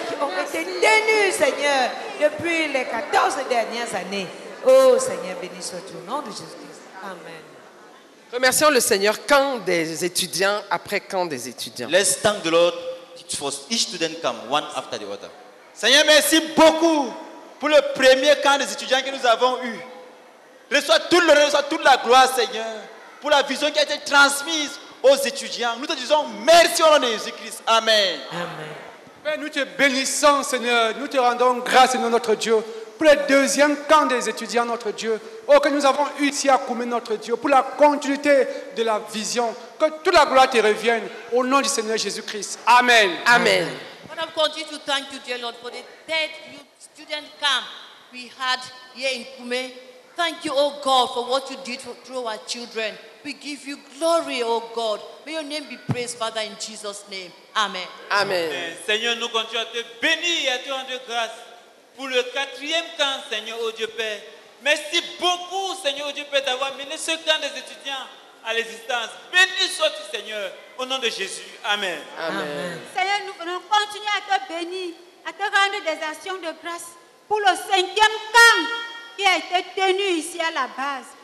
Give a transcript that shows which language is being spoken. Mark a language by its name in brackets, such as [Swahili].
[French] On a été tenus, Seigneur, depuis les 14 dernières années. Oh Seigneur, béni sois-tu au nom de Jésus-Christ. Amen. Remercions le Seigneur camp des étudiants après camp des étudiants. Let's thank the Lord for each student camp one after the other. Seigneur, merci beaucoup pour le premier camp des étudiants que nous avons eu. Reçois tout le reçois toute la gloire, Seigneur, pour la vision qui a été transmise aux étudiants. Nous te disons merci au nom de Jésus-Christ. Amen. Amen. Père, nous te bénissons, Seigneur. Nous te rendons grâce, Seigneur notre Dieu, pour le deuxième camp des étudiants, notre Dieu. Oh, que nous avons eu ici à Koumé, notre Dieu, pour la continuité de la vision. Que toute la gloire te revienne au nom du Seigneur Jésus-Christ. Amen. Amen. On [English] cannot continue to thank you, dear Lord, for the third youth student camp we had here in Kume. Thank you, oh God, for what you did through our children. We give you glory, oh God. May your name be praised, Father, in Jesus' name. Amen. Amen. [French] Seigneur, nous continuons à te bénir et à te rendre grâce pour le quatrième camp, Seigneur, oh Dieu Père. Merci beaucoup, Seigneur, oh Dieu Père, d'avoir mené ce camp des étudiants à l'existence. Béni sois-tu, Seigneur, au nom de Jésus. Amen. Amen. Seigneur, nous venons continuer à te bénir, à te rendre des actions de grâce pour le cinquième camp qui a été tenu ici à la base.